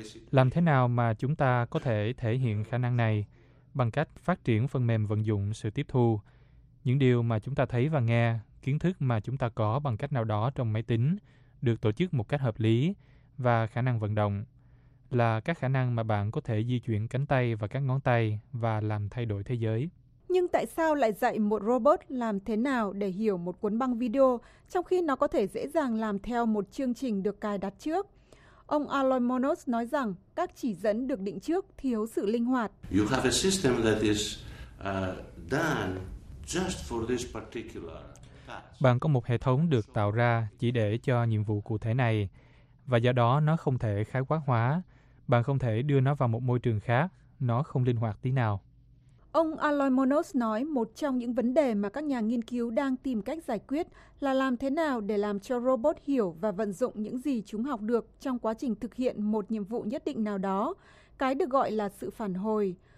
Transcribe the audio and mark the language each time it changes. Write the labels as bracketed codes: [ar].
[vi] Làm thế nào mà chúng ta có thể thể hiện khả năng này? Bằng cách phát triển phần mềm vận dụng sự tiếp thu, những điều mà chúng ta thấy và nghe, kiến thức mà chúng ta có bằng cách nào đó trong máy tính, được tổ chức một cách hợp lý, và khả năng vận động, là các khả năng mà bạn có thể di chuyển cánh tay và các ngón tay và làm thay đổi thế giới. Nhưng tại sao lại dạy một robot làm thế nào để hiểu một cuốn băng video, trong khi nó có thể dễ dàng làm theo một chương trình được cài đặt trước? Ông Aloy Monos nói rằng các chỉ dẫn được định trước thiếu sự linh hoạt. [en] You have a system that is done just for this particular task. [vi] Bạn có một hệ thống được tạo ra chỉ để cho nhiệm vụ cụ thể này, và do đó nó không thể khái quát hóa. Bạn không thể đưa nó vào một môi trường khác. Nó không linh hoạt tí nào. Ông Aloy Monos nói một trong những vấn đề mà các nhà nghiên cứu đang tìm cách giải quyết là làm thế nào để làm cho robot hiểu và vận dụng những gì chúng học được trong quá trình thực hiện một nhiệm vụ nhất định nào đó, cái được gọi là sự phản hồi.